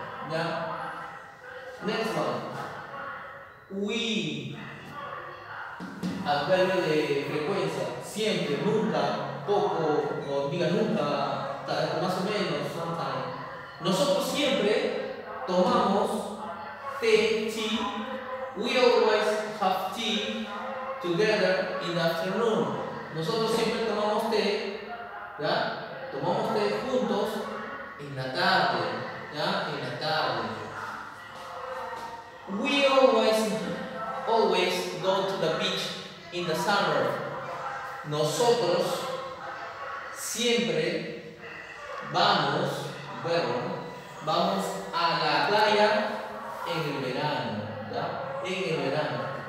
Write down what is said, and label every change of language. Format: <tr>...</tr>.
<en>¿Ya? Next one. We.</en> <es>Al cambio de frecuencia. Siempre, nunca, poco, o diga nunca, más o menos, sometime. Nosotros siempre tomamos té, tea.</es> <en>We always have tea together in the afternoon.</en> <es>Nosotros siempre tomamos té, ¿ya? Tomamos té juntos en la tarde, ¿ya? En la tarde.</es> <en>We always go to the beach in the summer.</en> <es>Nosotros siempre vamos, bueno, vamos a la playa en el verano, ¿ya? En el verano.</es>